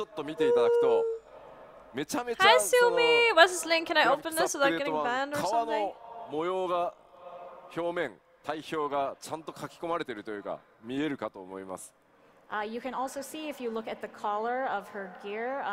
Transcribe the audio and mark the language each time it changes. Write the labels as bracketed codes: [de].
[ja] あとはこれちょっと素材感の話が分かりやすいんですけど、種族装備のこの首元のレザーをちょっと見ていただくと、めちゃめちゃ。 [en] Hi, Sumi. What's this link? Can I open this without getting banned or something? [ja] 革の模様が表面体表がちゃんと書き込まれているというか見えるかと思います。 [en] You can also see if you look at the collar of her gear.